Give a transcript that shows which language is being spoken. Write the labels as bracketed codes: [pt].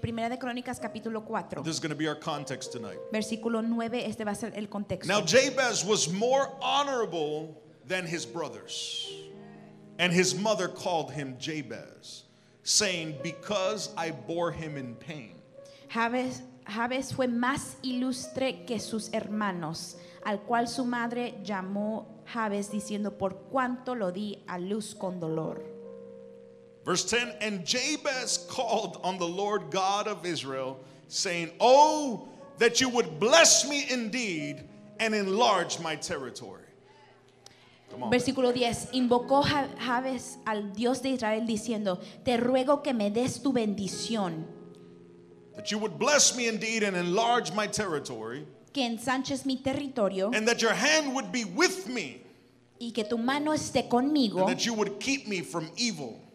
[es] Primera de Crónicas capítulo 4. [en] This is going to be our context tonight. [es] Versículo 9, este va a ser el contexto. [en] Now Jabez was more honorable than his brothers. And his mother called him Jabez, saying, because I bore him in pain. [es] Jabez fue más ilustre que sus hermanos, al cual su madre llamó Jabez, diciendo, por cuanto lo di a luz con dolor. [en] Verse 10, and Jabez called on the Lord God of Israel, saying, oh, that you would bless me indeed and enlarge my territory. [es] Versículo 10, invocó Jabez al Dios de Israel diciendo, te ruego que me des tu bendición. [en] That you would bless me indeed and enlarge my territory. [es] Que ensanches mi territorio. [en] And that your hand would be with me. [es] Y que tu mano esté conmigo. [en] And that you would keep me from evil.